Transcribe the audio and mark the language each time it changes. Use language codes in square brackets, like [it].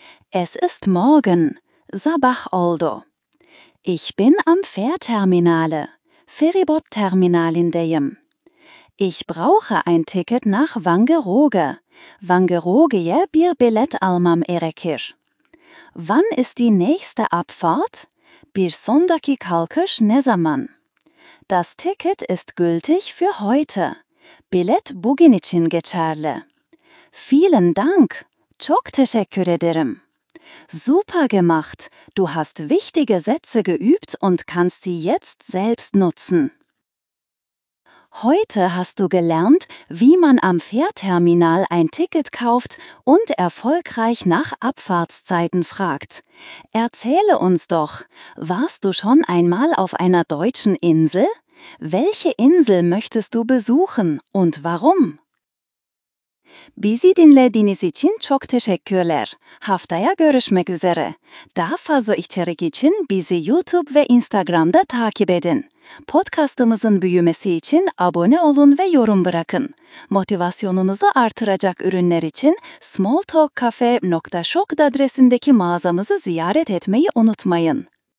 [de] Es ist morgen. [tr] Sabah oldu. [de] Ich bin am Fährterminale, [tr] Feribotterminalindeyim. [de] Ich brauche ein Ticket nach Wangerooge, [tr] Wangerooge'ye bir bilet almam erekir. [de] Wann ist die nächste Abfahrt? [tr] Bir sonraki kalkış ne zaman? [de] Das Ticket ist gültig für heute. [tr] Bilet bugün için geçerli. [de] Vielen Dank, [tr] çok teşekkür ederim. [de] Super gemacht! Du hast wichtige Sätze geübt und kannst sie jetzt selbst nutzen. Heute hast du gelernt, wie man am Fährterminal ein Ticket kauft und erfolgreich nach Abfahrtszeiten fragt. Erzähle uns doch, warst du schon einmal auf einer deutschen Insel? Welche Insel möchtest du besuchen und warum? [tr] Bizi dinlediğiniz için çok teşekkürler. Haftaya görüşmek üzere. Daha fazla içerik için bizi YouTube ve Instagram'da takip edin. Podcast'ımızın büyümesi için abone olun ve yorum bırakın. Motivasyonunuzu artıracak ürünler için smalltalkcafe.shop adresindeki mağazamızı ziyaret etmeyi unutmayın.